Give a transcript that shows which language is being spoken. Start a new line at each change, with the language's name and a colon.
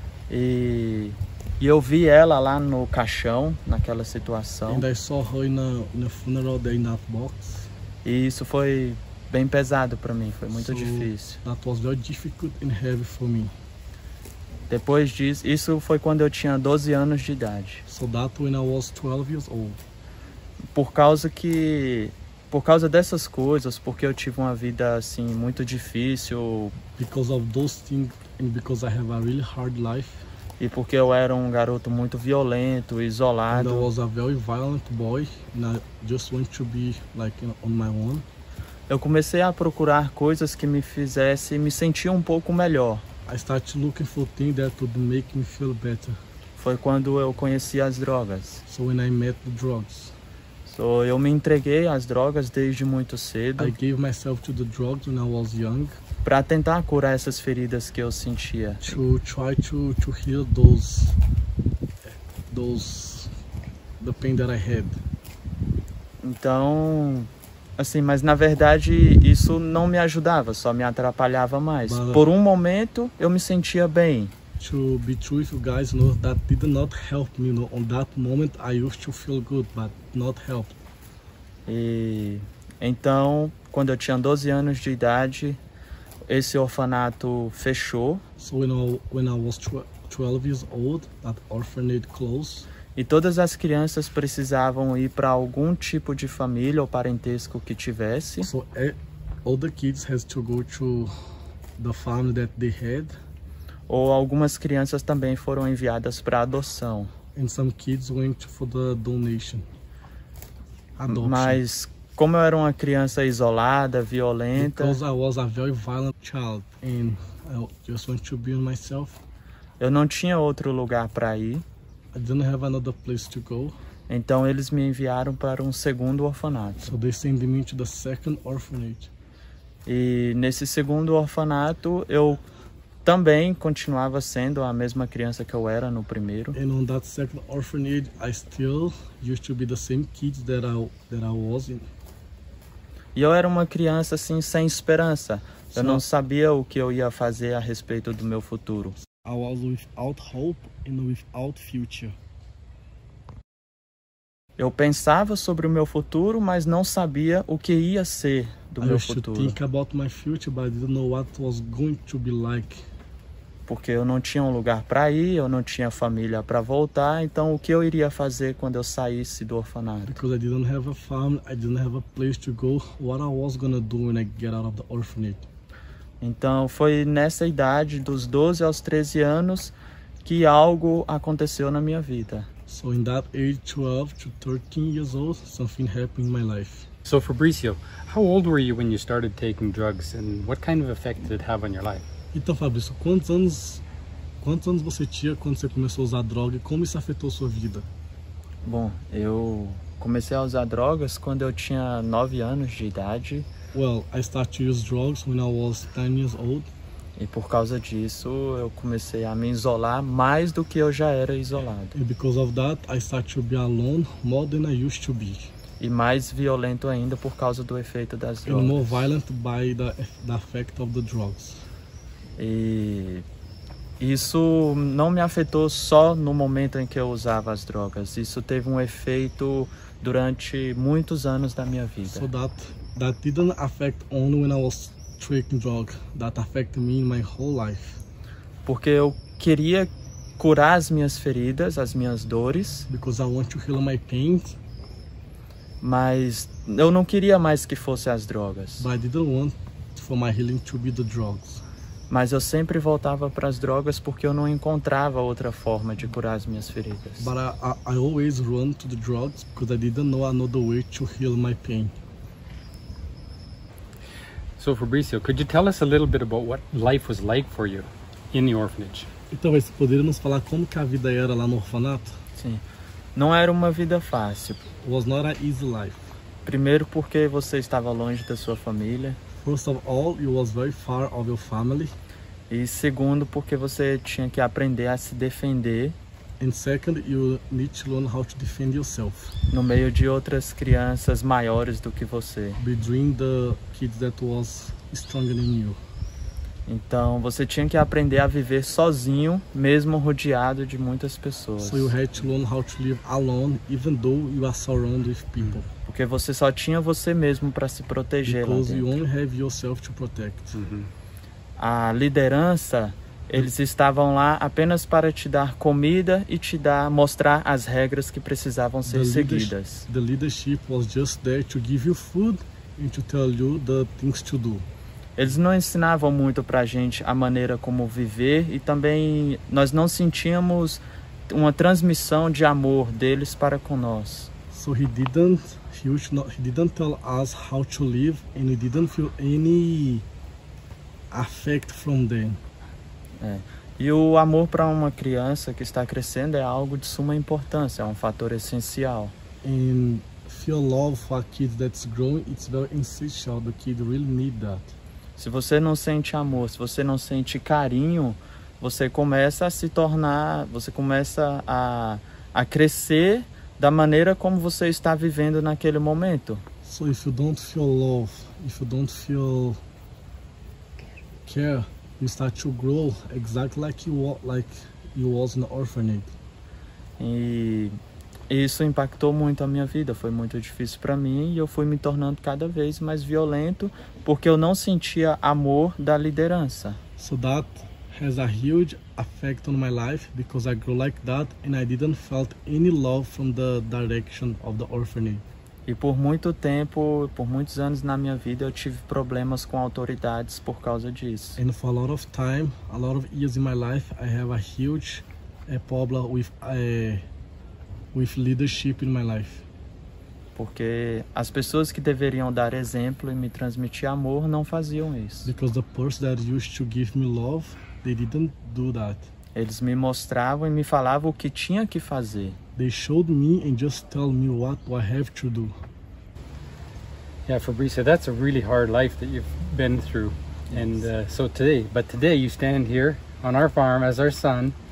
Portuguese: E eu vi ela lá no caixão, naquela situação.
English: And I saw her in a funeral there in that box.
Portuguese: E isso foi bem pesado para mim, foi muito difícil.
English: That was very difficult and heavy for me.
Portuguese: Depois disso, isso foi quando eu tinha 12 anos de idade.
English: So that when I was 12 years old.
Portuguese: Por causa dessas coisas, porque eu tive uma vida assim muito difícil.
English: Because of those things and because I have a really hard life.
Portuguese: E porque eu era um garoto muito violento, isolado.
English: And I was a very violent boy and I just want to be like on my own.
Portuguese: Eu comecei a procurar coisas que me fizessem me sentir um pouco melhor.
English: I started looking for things that would make me feel better.
Portuguese: Foi quando eu conheci as drogas.
English: So when I met the drugs.
Portuguese: So eu me entreguei às drogas desde muito cedo.
English: I gave myself to the drugs when I was young.
Portuguese: Para tentar curar essas feridas que eu sentia.
English: To try to heal the pain that I had.
Portuguese: Então, assim, mas na verdade isso não me ajudava, só me atrapalhava mais.
English: But,
Portuguese: por um momento eu me sentia bem.
English: To be true with you guys, no, that did not help me. No, on that moment I used to feel good, but not help.
Portuguese: E então, quando eu tinha 12 anos de idade, esse orfanato fechou.
English: So when I was 12 years old, that orphanage closed.
Portuguese: E todas as crianças precisavam ir para algum tipo de família ou parentesco que tivesse.
English: So all the kids had to go to the family that they had.
Portuguese: Ou algumas crianças também foram enviadas para adoção.
English: And some kids went for the donation. Adoption.
Portuguese: Mas como eu era uma criança isolada, violenta.
English: Because I was a very violent child and I just wanted to be myself.
Portuguese: Eu não tinha outro lugar para ir.
English: I didn't have another place to go.
Portuguese: Então eles me enviaram para um segundo orfanato.
English: So they sent me to the second orphanage.
Portuguese: E nesse segundo orfanato eu também continuava sendo a mesma criança que eu era no primeiro.
English: And on that second orphanage, I still used to be the same kid that I was in.
Portuguese: E eu era uma criança assim sem esperança. Eu não sabia o que eu ia fazer a respeito do meu futuro.
English: I was without hope and without future.
Portuguese: Eu pensava sobre o meu futuro, mas não sabia o que ia ser do meu futuro.
English: I used to think about my future, but I didn't know what was going to be like.
Portuguese: Porque eu não tinha um lugar para ir, eu não tinha família para voltar, então o que eu iria fazer quando eu saísse do orfanato?
English: Because I didn't have a family, I didn't have a place to go, what I was gonna do when I get out of the orphanage.
Portuguese: Então foi nessa idade, dos 12 aos 13 anos, que algo aconteceu na minha vida.
English: So in that age, 12 to 13 years old, something happened in my life. So Fabricio, how old were you when you started taking drugs and what kind of effect did it have on your life?
Portuguese: Então, Fabrício, quantos anos você tinha quando você começou a usar droga e como isso afetou a sua vida? Bom, eu comecei a usar drogas quando eu tinha 9 anos de idade.
English: Well, I started to use drugs when I was 10 years old.
Portuguese: E por causa disso, eu comecei a me isolar mais do que eu já era isolado.
English: And because of that, I started to be alone more than I used to be.
Portuguese: E mais violento ainda por causa do efeito das drogas.
English: And more violent by the effect of the drugs.
Portuguese: E isso não me afetou só no momento em que eu usava as drogas. Isso teve um efeito durante muitos anos da minha vida.
English: So that didn't affect only when I was taking drugs. That affected me in my whole life.
Portuguese: Porque eu queria curar as minhas feridas, as minhas dores.
English: Because I want to heal my pain.
Portuguese: Mas eu não queria mais que fosse as drogas.
English: But I didn't want for my healing to be the drugs.
Portuguese: Mas eu sempre voltava para as drogas porque eu não encontrava outra forma de curar as minhas feridas.
English: But I always run to the drugs because I didn't know another way to heal my pain. So Fabricio, could you tell us a little bit about what life was like for you in the orphanage?
Portuguese: Então, você poderia nos falar como que a vida era lá no orfanato? Sim. Não era uma vida fácil.
English: It was not an easy life.
Portuguese: Primeiro porque você estava longe da sua família.
English: First of all, you was very far of your family.
Portuguese: E segundo, porque você tinha que aprender a se defender.
English: And second, you need to learn how to defend yourself.
Portuguese: No meio de outras crianças maiores do que você.
English: Between the kids that was stronger than you.
Portuguese: Então, você tinha que aprender a viver sozinho, mesmo rodeado de muitas pessoas.
English: So you had to learn how to live alone, even though you are surrounded with people.
Portuguese: Porque você só tinha você mesmo para se proteger.
English: Because
Portuguese: lá dentro.
English: You only have yourself to protect. Uhum.
Portuguese: A liderança Eles estavam lá apenas para te dar comida e te dar, mostrar as regras que precisavam ser seguidas.
English: The leadership was just there to give you food and to tell you the things to do.
Portuguese: Eles não ensinavam muito para a gente a maneira como viver e também nós não sentíamos uma transmissão de amor deles para conosco.
English: So he didn't tell us how to live and we didn't feel any affect from them.
Portuguese: É. E o amor para uma criança que está crescendo é algo de suma importância, é um fator essencial.
English: And feel love for a kid that's growing, it's very essential. The kid really need that.
Portuguese: Se você não sente amor, se você não sente carinho, você começa a se tornar, você começa a crescer da maneira como você está vivendo naquele momento.
English: So if you don't feel love, if you don't feel care, you start to grow exactly like you was in the orphanage.
Portuguese: E isso impactou muito a minha vida, foi muito difícil para mim e eu fui me tornando cada vez mais violento porque eu não sentia amor da liderança.
English: So that has a huge effect on my life because I grew like that and I didn't felt any love from the direction of the orphanage.
Portuguese: E por muito tempo, por muitos anos na minha vida, eu tive problemas com autoridades por causa disso.
English: And for a lot of time, a lot of years in my life, I have a huge problem with leadership in my life.
Portuguese: Porque as pessoas que deveriam dar exemplo e me transmitir amor não faziam isso.
English: Because the person that used to give me love, they didn't do that.
Portuguese: Eles me mostravam e me falavam o que tinha que fazer.
English: They showed me and just tell me what I have to do. Yeah, Fabrício, that's a really hard life that you've been through. Yes. And today you stand here on our farm as our son.